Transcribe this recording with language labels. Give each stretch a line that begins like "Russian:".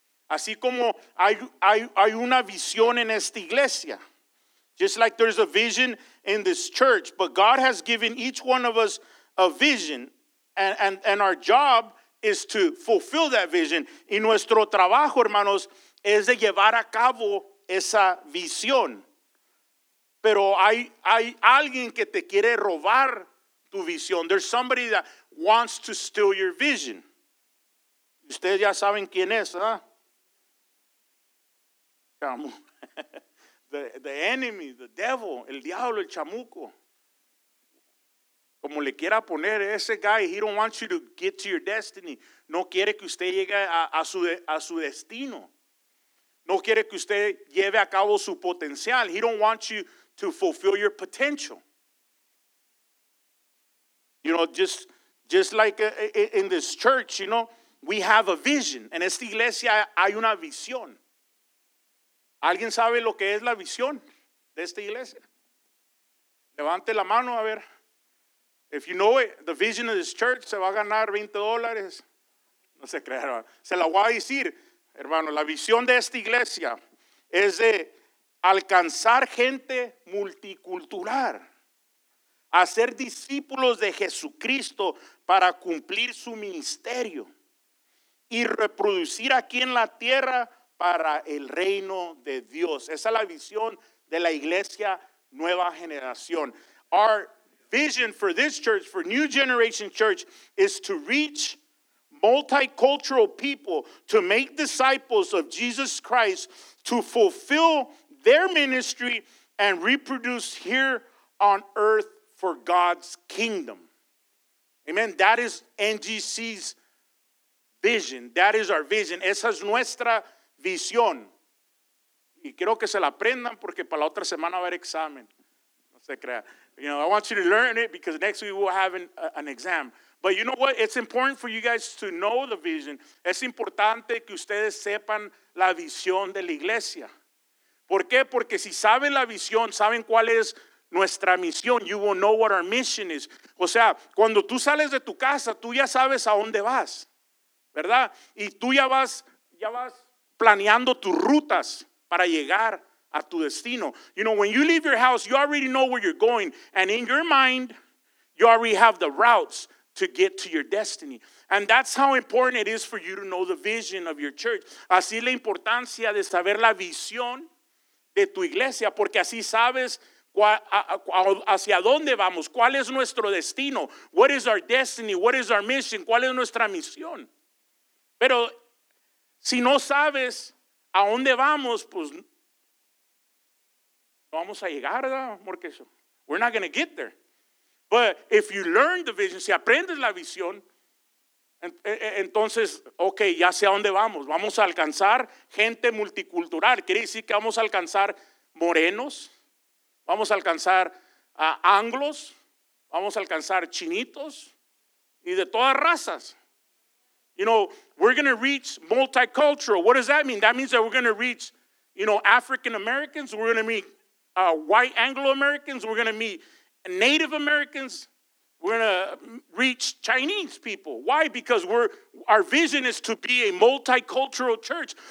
Spanish: Así como hay una visión en esta iglesia.
English: Just like there's a vision in this church, but God has given each one of us a vision, and our job is to fulfill that vision.
Spanish: Y nuestro trabajo, hermanos, es de llevar a cabo esa visión. Pero hay alguien que te quiere robar tu visión.
English: There's somebody that wants to steal your vision.
Spanish: Ustedes ya saben quién es, ¿ah?
English: Come on. The enemy, the devil,
Spanish: el diablo, el chamuco. Como le quiera poner, ese
English: guy, he don't want you to get to your destiny.
Spanish: No quiere que usted llegue a su destino. No quiere que usted lleve a cabo su potencial.
English: He don't want you to fulfill your potential. You know, just like in this church, you know, we have a vision.
Spanish: En esta iglesia hay una visión. ¿Alguien sabe lo que es la visión de esta iglesia? Levante la mano, a ver.
English: If you know it, the vision of this church,
Spanish: se va a ganar $20. No se crea, hermano. Se la voy a decir, hermano. La visión de esta iglesia es de alcanzar gente multicultural, hacer discípulos de Jesucristo para cumplir su ministerio y reproducir aquí en la tierra para el reino de Dios. Esa es la visión de la iglesia nueva generación.
English: Our vision for this church, for New Generation Church, is to reach multicultural people, to make disciples of Jesus Christ, to fulfill their ministry and reproduce here on earth for God's kingdom. Amen. That is NGC's vision. That is our vision.
Spanish: Esa es nuestra visión. Y quiero que se la aprendan porque para la otra semana va a haber examen. No se crea.
English: You know, I want you to learn it because next week we'll have an exam. But you know what? It's important for you guys to know the vision.
Spanish: Es importante que ustedes sepan la visión de la iglesia. ¿Por qué? Porque si saben la visión, saben cuál es nuestra misión.
English: You will know what our mission is.
Spanish: O sea, cuando tú sales de tu casa, tú ya sabes a dónde vas, ¿verdad? Y tú ya vas planeando tus rutas para llegar a tu destino.
English: You know, when you leave your house, you already know where you're going. And in your mind, you already have the routes to get to your destiny. And that's how important it is for you to know the vision of your church.
Spanish: Así la importancia de saber la visión de tu iglesia, porque así sabes hacia dónde vamos, cuál es nuestro destino,
English: what is our destiny, what is our mission,
Spanish: cuál es nuestra misión. Pero si no sabes a dónde vamos, pues no vamos a llegar, ¿no? Porque eso,
English: we're not going to get there. But if you learn the vision,
Spanish: si aprendes la visión, entonces, ok, ya sé a dónde vamos. Vamos a alcanzar gente multicultural. Quiere decir que vamos a alcanzar morenos, vamos a alcanzar anglos, vamos a alcanzar chinitos y de todas razas.
English: You know, we're going to reach multicultural. What does that mean? That means that we're going to reach, you know, African Americans. We're going to meet white Anglo-Americans. We're going to meet Native Americans. We're going to reach Chinese people. Why? Because our vision is to be a multicultural church.